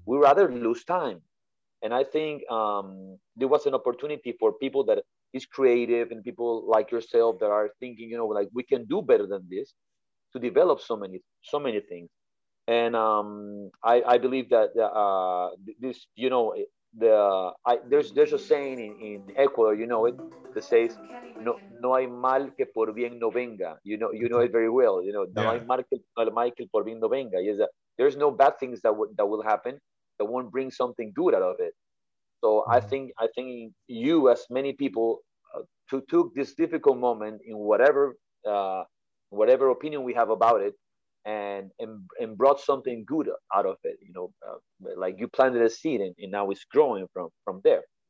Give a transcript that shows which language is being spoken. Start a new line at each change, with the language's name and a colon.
English: We rather lose time. And I think there was an opportunity for people that is creative and people like yourself that are thinking, you know, like we can do better than this, to develop so many things. And I believe that this, you know, there's a saying in Ecuador, you know it, that says,
Spanish: no hay mal que por bien no venga.
English: You know it very well. You know,
Spanish: no hay mal que por bien no venga.
English: Is that there's no bad things that will happen that won't bring something good out of it. So I think you, as many people, took this difficult moment in whatever opinion we have about it, and brought something good out of it. You know, like you planted a seed and now it's growing from there.